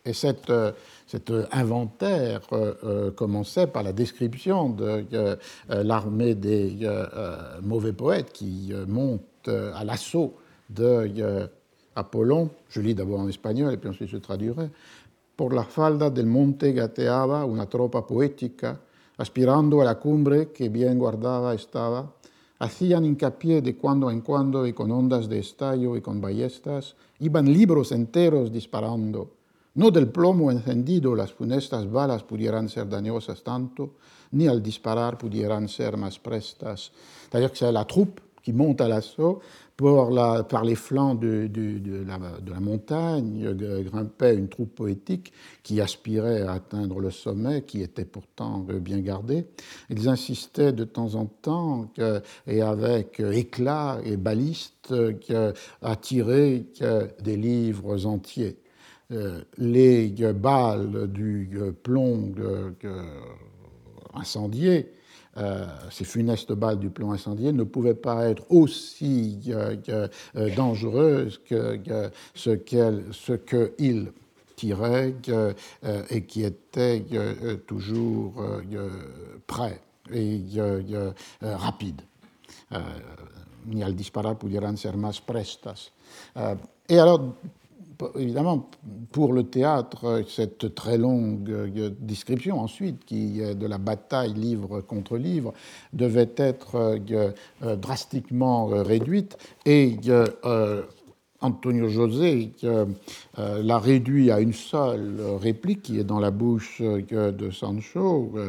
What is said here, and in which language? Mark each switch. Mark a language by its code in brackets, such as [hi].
[fr] Et cet inventaire commençait par la description de l'armée des mauvais poètes qui monte à l'assaut de Apollon. Je lis d'abord en espagnol et puis ensuite je traduirai. [es] Por la falda del monte gateaba una tropa poética, aspirando a la cumbre que bien guardada estaba, hacían hincapié de cuando en cuando y con ondas de estallo y con ballestas, iban libros enteros disparando. No del plomo encendido las funestas balas pudieran ser dañosas tanto, ni al disparar pudieran ser más prestas. [fr] C'est-à-dire que c'est la troupe qui monte à l'assaut, par les flancs de la montagne, grimpait une troupe poétique qui aspirait à atteindre le sommet, qui était pourtant bien gardé. Ils insistaient de temps en temps, et avec éclat et baliste, à tirer des livres entiers. Les balles du plomb incendié, ces funestes balles du plomb incendié ne pouvaient pas être aussi dangereuses que ce qu'ils tiraient et qui étaient toujours prêts et rapides. [es] Ni al disparar pudieran ser más prestas. [fr] Et alors, évidemment, pour le théâtre, cette très longue description ensuite, qui est de la bataille livre contre livre, devait être drastiquement réduite. Et Antonio José la réduit à une seule réplique qui est dans la bouche de Sancho.